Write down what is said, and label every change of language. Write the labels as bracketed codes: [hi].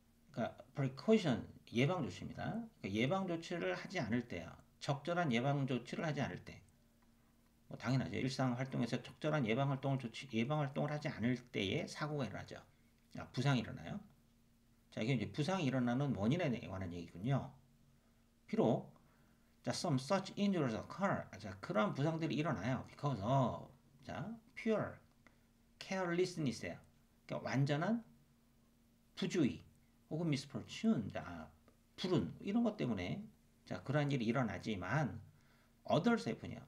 [ko] 그러니까 precaution 예방 조치입니다. 그러니까 예방 조치를 하지 않을 때요. 적절한 예방 조치를 하지 않을 때. 당연하죠. 일상 활동에서 적절한 예방 활동을 하지 않을 때에 사고가 일어나죠. 부상이 일어나요. 자, 이게 이제 부상이 일어나는 원인에 관한 얘기군요. 비록 자, [en] some such injuries occur. [ko] 자, 그런 부상들이 일어나요. [en] Because of 자, pure carelessness. [ko] 그러니까 완전한 부주의 혹은 misfortune. 자, 불운 이런 것 때문에 자, 그런 일이 일어나지만 others 해프니요.